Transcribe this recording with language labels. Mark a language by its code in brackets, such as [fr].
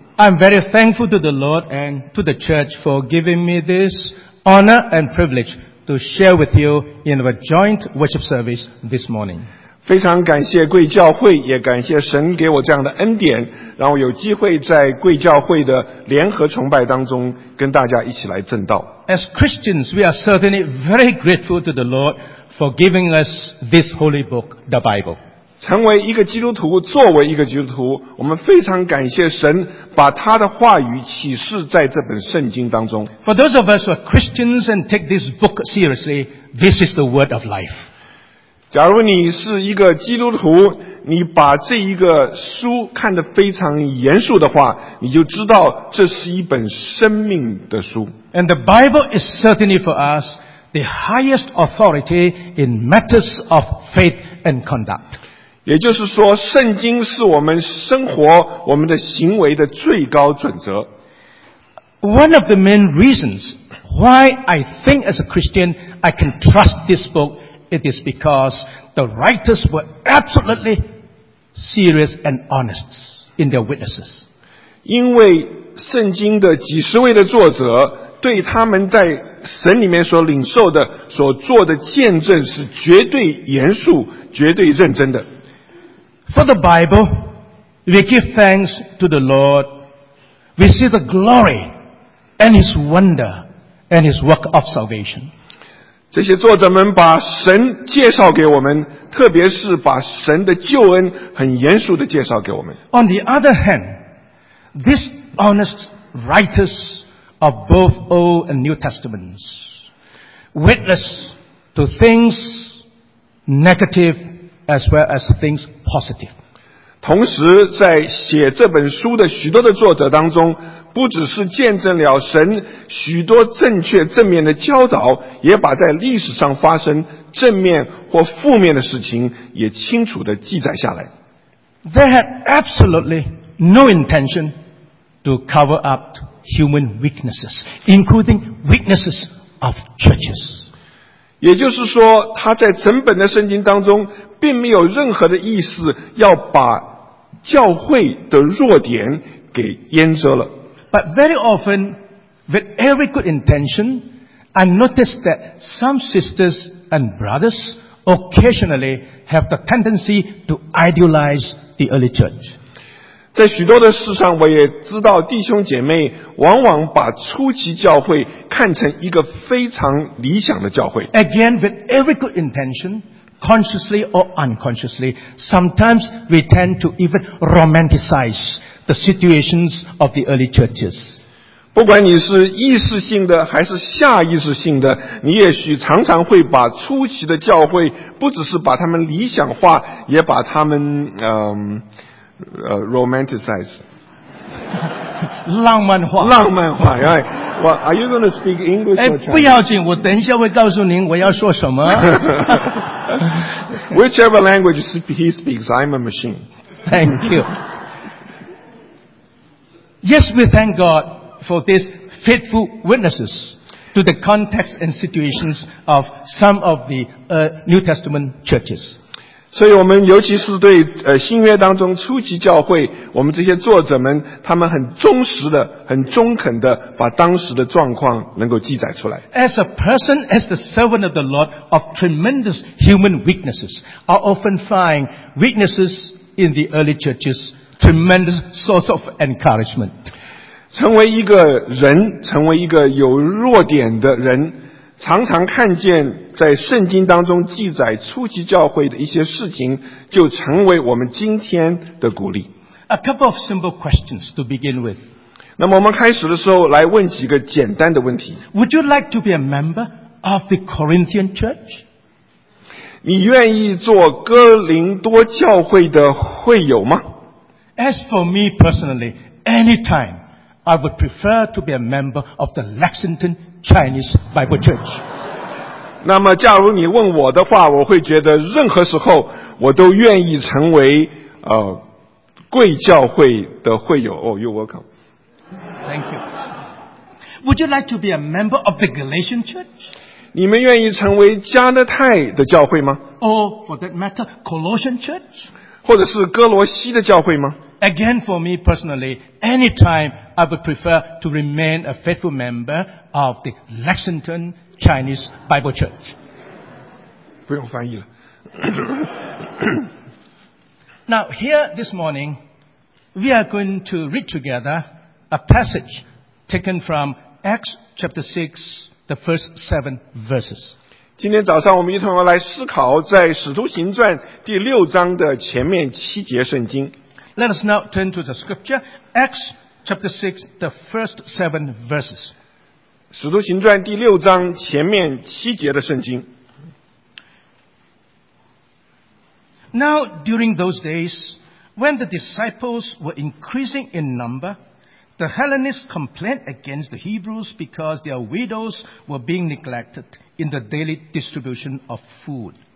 [en] I'm very thankful to the Lord and to the church for giving me this honor and privilege to share with you in our joint worship service this morning. [zh] 非常感谢贵教会，也感谢神给我这样的恩典。然后有机会在贵教会的联合崇拜当中跟大家一起来证道。 [en] As Christians, we are certainly very grateful to the Lord for giving us this holy book, the Bible. [zh] 成为一个基督徒，作为一个基督徒，我们非常感谢神把他的话语启示在这本圣经当中。 [en] For those of us who are Christians and take this book seriously, this is the word of life. [zh] 假如你是一个基督徒，你把这一个书看得非常严肃的话，你就知道这是一本生命的书。 [en] And the Bible is certainly for us the highest authority in matters of faith and conduct. [zh] 也就是说，圣经是我们生活、我们的行为的最高准则。 [en] One of the main reasons why I think as a Christian I can trust this book, it is because the writers were absolutely serious and honest in their witnesses. [zh] 因为圣经的几十位的作者对他们在神里面所领受的所做的见证是绝对严肃、绝对认真的。 [en] For the Bible, we give thanks to the Lord. We see the glory and His wonder and His work of salvation. [zh] 这些作者们把神介绍给我们，特别是把神的救恩很严肃地介绍给我们。 [en] On the other hand, these honest writers of both Old and New Testaments witness to things negative as well as things positive. [zh] 同时在写这本书的许多的作者当中，不只是见证了神许多正确正面的教导，也把在历史上发生正面或负面的事情也清楚地记载下来。 [en] They had absolutely no intention to cover up human weaknesses, including weaknesses of churches. [zh] 也就是说，他在整本的圣经当中并没有任何的意思要把教会的弱点给掩遮了。 [en] But very often, with every good intention, I noticed that some sisters and brothers occasionally have the tendency to idealize the early church. [zh] 在许多的事上，我也知道弟兄姐妹往往把初期教会看成一个非常理想的教会。 [en] Again, with every good intention, consciously or unconsciously, sometimes we tend to even romanticize the situations of the early churches. [zh] 不管你是意识性的还是下意识性的，你也许常常会把初期的教会不只是把他们理想化，也把他们romanticize 浪漫化。浪漫化，哎，我 [en] Are you going to speak English? [zh] 哎，不要紧，我等一下会告诉您我要说什么。 [en] Whichever language he speaks, I'm a machine. Thank you. Yes, we thank God for these faithful witnesses to the context and situations of some of the New Testament churches. [zh] 所以我们尤其是对新约当中初期教会，我们这些作者们，他们很忠实的、很中肯的把当时的状况能够记载出来。 [en] As a person, as the servant of the Lord, of tremendous human weaknesses, I often find weaknesses in the early churches, tremendous source of encouragement. [zh] 成为一个人，成为一个有弱点的人，常常看见在圣经当中记载初期教会的一些事情，就成为我们今天的鼓励。 [en] A couple of simple questions to begin with. [zh] 那么我们开始的时候来问几个简单的问题。 [en] Would you like to be a member of the Corinthian church? [zh] 你愿意做哥林多教会的会友吗？ [en] As for me personally, anytime, I would prefer to be a member of the Lexington Chinese Bible Church. [zh] 那么假如你问我的话，我会觉得任何时候我都愿意成为贵教会的会友。 [en] Oh, you're welcome. Thank you. Would you like to be a member of the Galatian Church? [zh] 你们愿意成为加勒太的教会吗？ [en] Or for that matter, Colossian Church? [zh] 或者是哥罗西的教会吗？ [en] Again, for me personally, anytime I would prefer to remain a faithful member of the Lexington Chinese Bible Church. [zh] 不用翻译了。 [en] Now, here this morning, we are going to read together a passage taken from Acts chapter 6, the first 7 verses. [zh] 今天早上我们一同来思考在《使徒行传》第六章的前面七节圣经。 [en] Let us now turn to the scripture, Acts chapter 6, the first 7 verses. [zh] 使徒行传第六章前面七节的圣经。 [en] Now, during those days, when the disciples were increasing in number, the Hellenists complained against the Hebrews because their widows were being neglected in the daily distribution of food.